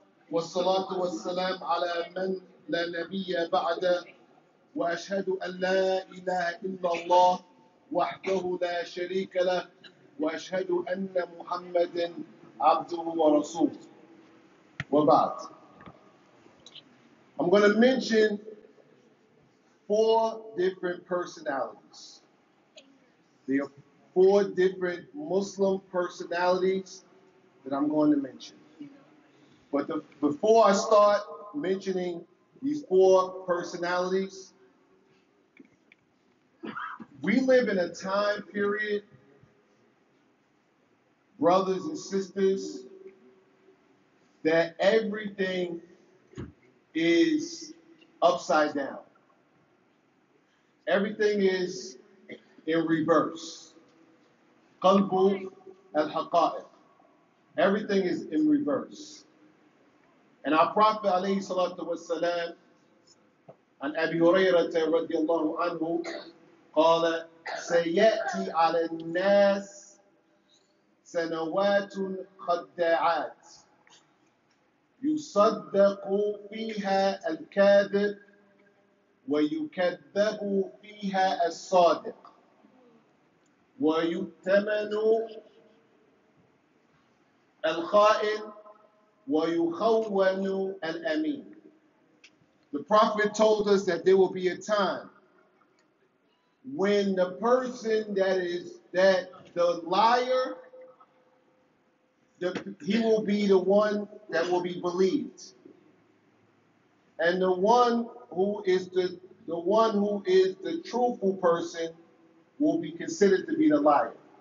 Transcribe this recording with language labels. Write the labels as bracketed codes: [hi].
[ar] والصلاة والسلام على من لا نبي بعد وأشهد أن لا إله إلا الله وحده لا شريك له وأشهد أن محمد عبده ورسوله وبعد. [en] I'm going to mention 4 different personalities. There are 4 different Muslim personalities that I'm going to mention. But before I start mentioning these 4 personalities, we live in a time period, brothers and sisters, that everything is upside down. Everything is in reverse. [ar] قلب الحقائق. [en] Everything is in reverse. And our Prophet [ar] عليه الصلاة والسلام عن أبي هريرة رضي الله عنه قال سيأتي على الناس سنوات خداعات يصدق فيها الكاذب ويكذب فيها الصادق ويؤتمن الخائن وَيُخَوَّنُ الْأَمِينَ. [en] The Prophet told us that there will be a time when the person that the liar, he will be the one that will be believed. And the one who is the truthful person will be considered to be the liar.